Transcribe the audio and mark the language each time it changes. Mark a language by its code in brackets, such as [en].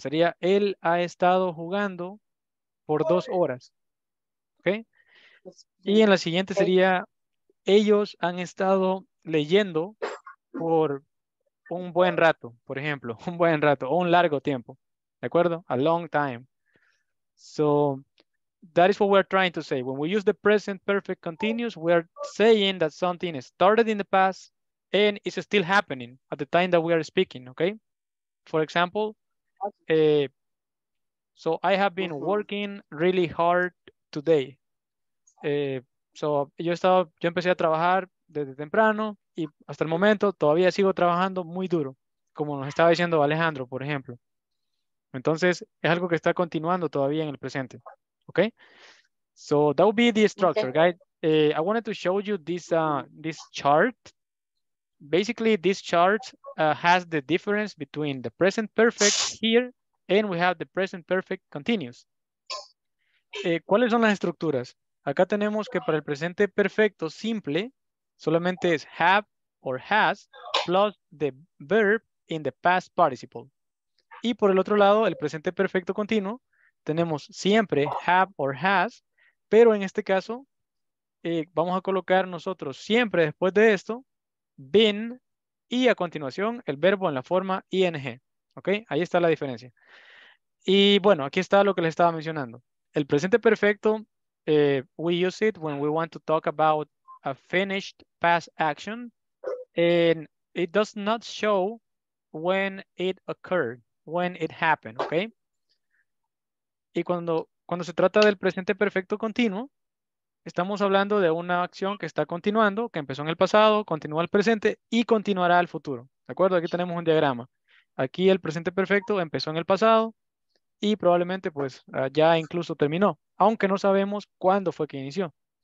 [es] Sería, él ha estado jugando por 2 horas. Okay. Y en la siguiente sería, ellos han estado leyendo por un buen rato, por ejemplo. Un buen rato, o un largo tiempo. ¿De acuerdo? [en] A long time. So, that is what we're trying to say. When we use the present perfect continuous, we're saying that something started in the past and is still happening at the time that we are speaking, okay? For example, so I have been working really hard today. [es] Yo empecé a trabajar desde temprano y hasta el momento todavía sigo trabajando muy duro, como nos estaba diciendo Alejandro, por ejemplo. Entonces, es algo que está continuando todavía en el presente. [en] Okay? So, that would be the structure, okay, guys. I wanted to show you this this chart. Basically, this chart has the difference between the present perfect here and we have the present perfect continuous. [es] ¿Cuáles son las estructuras? Acá tenemos que para el presente perfecto simple, solamente es [en] have or has plus the verb in the past participle. [es] Y por el otro lado, el presente perfecto continuo, tenemos siempre have or has, pero en este caso, vamos a colocar nosotros siempre después de esto, been, y a continuación el verbo en la forma ing. ¿Ok? Ahí está la diferencia. Y bueno, aquí está lo que les estaba mencionando. El presente perfecto, [en] we use it when we want to talk about a finished past action, and it does not show when it occurred. When it happened, okay? [es] Y cuando se trata del presente perfecto continuo, estamos hablando de una acción que está continuando, que empezó en el pasado, continúa al presente y continuará al futuro. ¿De acuerdo? Aquí tenemos un diagrama. Aquí el presente perfecto empezó en el pasado y probablemente pues ya incluso terminó, aunque no sabemos cuándo fue que inició.